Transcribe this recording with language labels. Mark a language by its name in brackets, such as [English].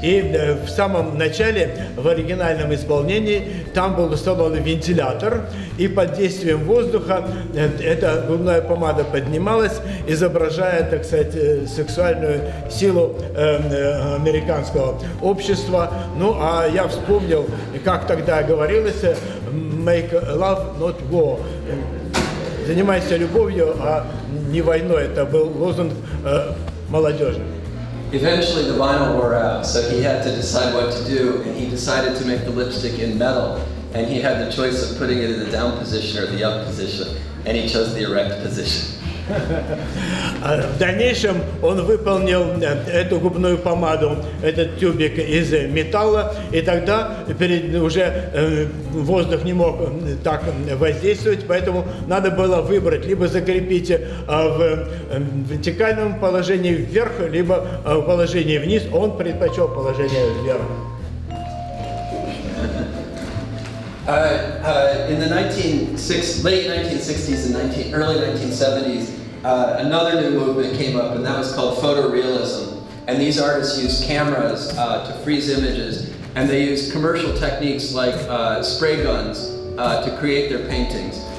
[Russian] И в самом начале, в оригинальном исполнении, там был установлен вентилятор, и под действием воздуха эта губная помада поднималась, изображая, так сказать, сексуальную силу американского общества. Ну, а я вспомнил, как тогда говорилось, [English] make love, not war. [Russian] Занимайся любовью, а не войной. Это был лозунг молодежи. [English] Eventually the vinyl wore out, so he had to decide what to do, and he decided to make the lipstick in metal, and he had the choice of putting it in the down position or the up position, and he chose the erect position. [Russian] В дальнейшем он выполнил эту губную помаду, этот тюбик из металла, и тогда перед, уже воздух не мог так воздействовать, поэтому надо было выбрать, либо закрепить в вертикальном положении вверх, либо в положении вниз. Он предпочел положение вверх. [English] In the early 1970s, another new movement came up, and that was called photorealism. And these artists used cameras to freeze images, and they used commercial techniques like spray guns to create their paintings.